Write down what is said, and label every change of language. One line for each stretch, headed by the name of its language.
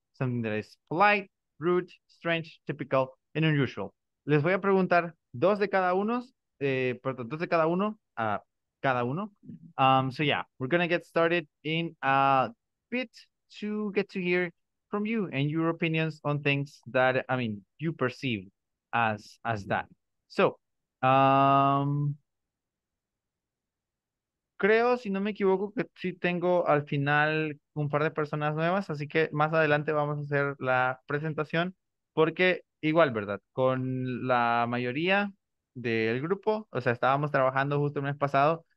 English: Something that is polite, rude, strange, typical, and unusual.
Spanish: Les voy a preguntar dos de cada uno. Perdón, dos de cada uno a cada uno.
English: So yeah, we're gonna get started in a bit to get to hear from you and your opinions on things that, I mean, you perceive as that.
Spanish: So, creo, si no me equivoco, que sí tengo al final un par de personas nuevas, así que más adelante vamos a hacer la presentación porque igual, ¿verdad? Con la mayoría del grupo, o sea, estábamos trabajando justo el mes pasado.